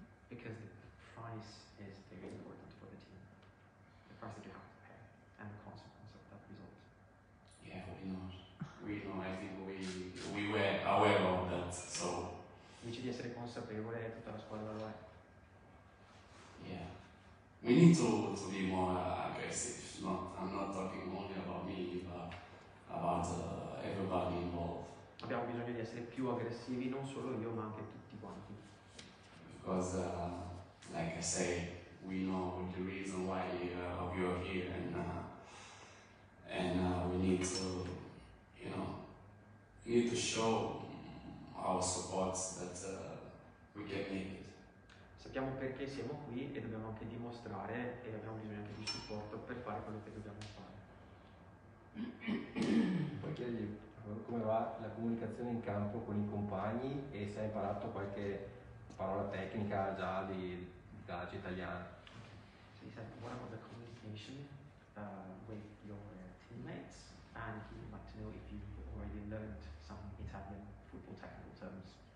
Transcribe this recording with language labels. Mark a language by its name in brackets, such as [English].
[English] Because the price is very important for the team. The price that you have to pay and the consequence of that result. Yeah, we know. We know, I think we were aware of that, so... [Italian] Dice di essere consapevole di tutta la squadra là. [English] Yeah. We need to be more aggressive. I'm not talking only about me, but about everybody involved. [Italian] Abbiamo bisogno di essere più aggressivi, non solo io, ma anche tutti quanti. [English] Because, like I say, we know the reason why you are here, and we need to... You know, we need to show our support that we can make it. [Italian] Sappiamo perché siamo qui e dobbiamo anche dimostrare e abbiamo bisogno anche di supporto per fare quello che dobbiamo fare. Poi chiedi, come va la comunicazione in campo con i compagni e se hai imparato qualche parola tecnica già di calcio italiano. [English] Okay. So he said, what about the communication with your teammates? And he would like to know if you've already learned some Italian football technical terms.